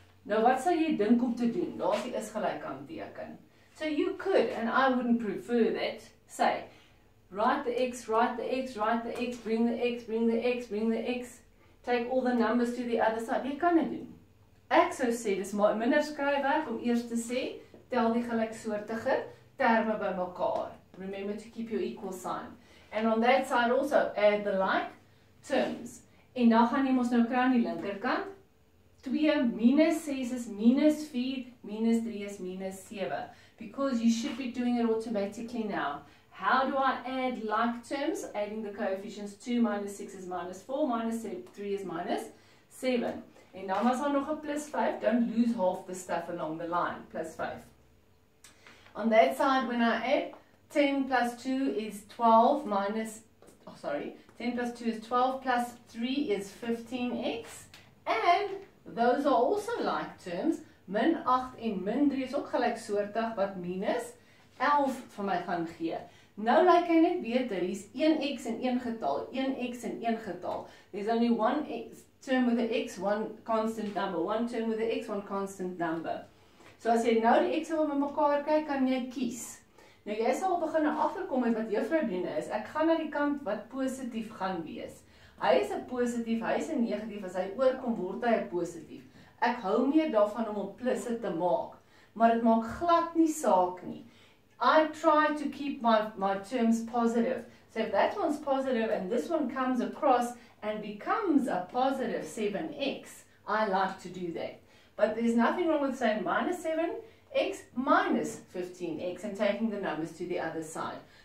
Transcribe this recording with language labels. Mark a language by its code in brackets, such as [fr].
[af] Nou wat sal jy dink om te doen? Daar's die is gelyk aan teken. [en] So you could, and I wouldn't prefer that, say, write the x, write the x, write the x, bring the x, bring the x, bring the x, take all the numbers to the other side. [af] Jy kan dit doen. Ek sou sê, dis maar minder skryfwerk om eers te sê, tel die gelyksoortige terme by mekaar. [en] Remember to keep your equal sign. And on that side also, add the like terms. [af] En dan gaan jy mos nou kry aan die linkerkant. 2 minus 6 is minus 4, minus 3 is minus 7. [en] Because you should be doing it automatically now. How do I add like terms? Adding the coefficients 2 minus 6 is minus 4, minus 3 is minus 7. [af] En dan was daar nog 'n plus 5. [en] Don't lose half the stuff along the line. Plus 5. On that side, when I add 10 plus 2 is 12 minus, oh sorry, 10 plus 2 is 12 plus 3 is 15x. And those are also like terms. [af] Min 8 en min 3 is ook gelyksoortig wat minus 11 vir my gaan gee. Nou lyk hy net beter. Hier is 1x in een getal, 1x in een getal. [en] There's only one x term with an x, one constant number. One term with an x, one constant number. [af] So as jy nou die x op mekaar kyk, kan jy kies. Nou jy sal begin agterkom met wat juffrou doen is, ek gaan na die kant wat positief gaan wees. Hy is 'n positief, hy is 'n negatief, as hy oorkom word hy 'n positief. Ek hou meer daarvan om op plusse te maak, maar dit maak glad nie saak nie. [en] I try to keep my terms positive. So if that one's positive and this one comes across and becomes a positive 7x, I like to do that. But there's nothing wrong with saying minus 7x minus 15x and taking the numbers to the other side.